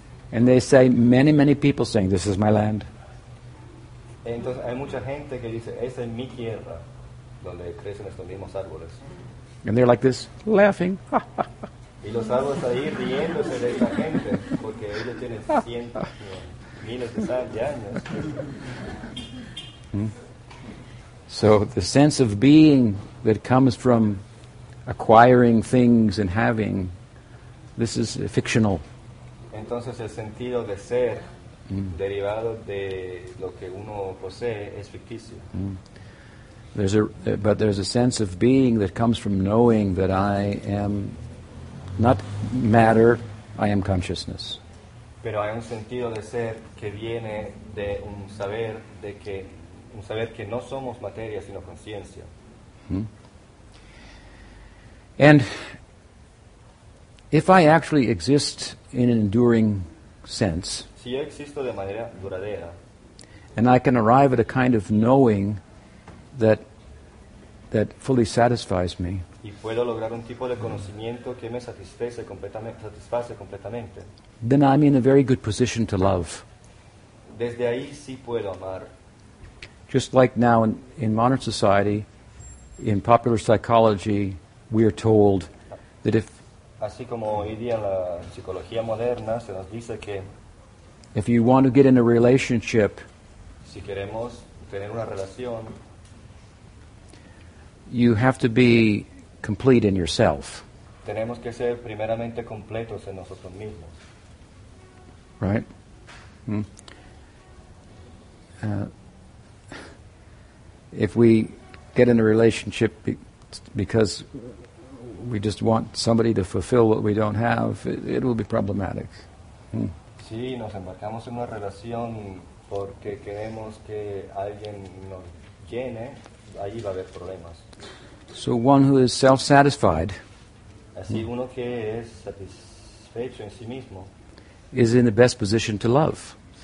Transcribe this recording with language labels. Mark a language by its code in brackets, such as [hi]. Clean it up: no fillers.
[en] And they say, many, many people saying, this is my land. [es] Entonces hay mucha gente que dice, esa es mi tierra, donde crecen estos mismos árboles. [en] And they're like this, laughing. [es] Y los árboles ahí riéndose de esa gente, porque ellos tienen miles de años. [en] So the sense of being that comes from acquiring things and having, this is fictional. [es] Entonces el sentido de ser derivado de lo que uno posee es ficticio. [en] There's a sense of being that comes from knowing that I am not matter, I am consciousness. [es] Pero hay un sentido de ser que viene de un saber de que saber que no somos materia sino conciencia. [en] And if I actually exist in an enduring sense, [es] si yo existo de manera duradera, [en] and I can arrive at a kind of knowing that fully satisfies me, [es] y puedo lograr un tipo de conocimiento que me satisface completamente, [en] then I'm in a very good position to love. [es] Desde ahí sí puedo amar. [en] Just like now in modern society, in popular psychology, we are told that if you want to get in a relationship, [es] si queremos tener una relación, [en] you have to be complete in yourself. [es] Tenemos que ser primeramente completos en nosotros mismos. [en] Right? If we get in a relationship because we just want somebody to fulfill what we don't have, it will be problematic. [es] Sí, nos embarcamos en una relación porque queremos que alguien nos llene, ahí va a haber problemas. [en] So one who is self-satisfied, [es] así uno que es satisfecho en sí mismo, [en] is in the best position to love.